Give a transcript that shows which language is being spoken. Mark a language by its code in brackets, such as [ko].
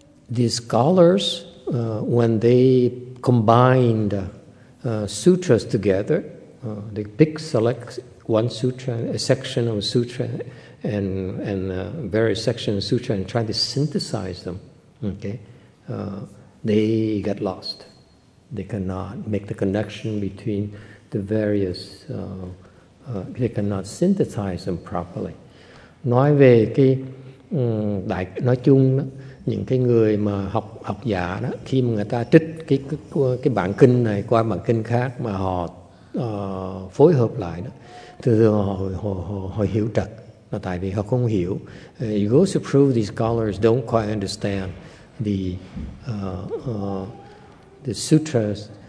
[en] The scholars, when they combined sutras together, they pick, select one sutra, a section of a sutra, and various sections of sutra, and try to synthesize them, okay, they get lost. They cannot make the connection between the various, they cannot synthesize them properly. [vi] Nói về cái đại nói chung đó, những cái người mà học giả đó, khi mà người ta trích cái bản kinh này qua bản kinh khác mà họ phối hợp lại đó, thường họ hiểu trật, là tại vì họ không hiểu. [en] It goes to prove these scholars don't quite understand the sutras.